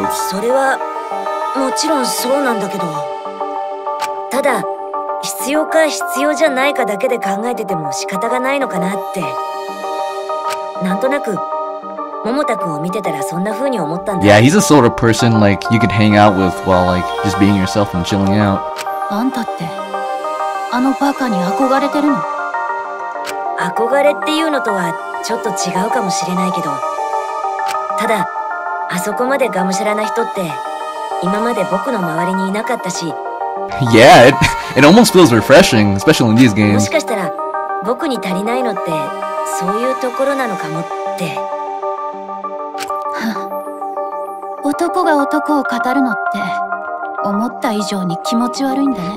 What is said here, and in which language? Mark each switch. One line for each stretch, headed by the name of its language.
Japanese: それは、もちろんそうなんだけど。ただ、必要か必要じゃないかだけで考えてても仕方がないのかなって。なんとなく、桃太君を見てたらそんな風に思ったんだ。
English: Yeah, he's a sort of person like you could hang out with while like just being yourself and chilling out.
Japanese: あんたって、あのバカに憧れてるの？憧れっていうのとはちょっと違うかもしれないけど。ただ、あそこまでがむしゃらな人って、今まで僕の周りにいなかったし、
English: Yeah, it almost feels refreshing, especially in these games.
Japanese: もしかしたら、僕に足りないのって、そういうところなのかもって。男が男を語るのって、思った以上に気持ち悪いんだね。